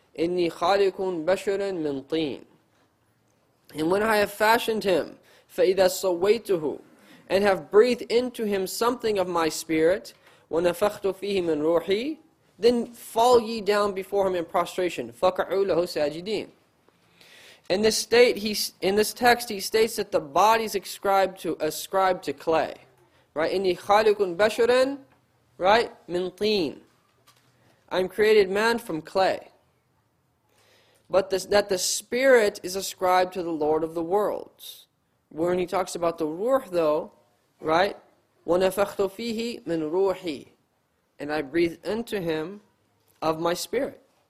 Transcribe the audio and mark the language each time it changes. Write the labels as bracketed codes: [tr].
[ar] Inni khaliqun basharan min teen. [en] And when I have fashioned him, [ar] fa'idha sawaituhu, [en] and have breathed into him something of my spirit, [ar] وَنَفَخْتُ فِيهِ مِنْ رُوحِي, [en] then fall ye down before him in prostration. [ar] فَقَعُوا لَهُ سَاجِدِينَ. [en] In this text, he states that the body is ascribed to clay, right? [ar] إِنِّي خَالِقٌ بَشَرًا, [en] right? [ar] مِنْ طِينٍ. [en] I'm created man from clay. But that the spirit is ascribed to the Lord of the worlds. When he talks about the ruh, though, right? [ar] وَنَفَخْتُ فِيهِ مِنْ رُوحِي. [en] And I breathe into him of my spirit.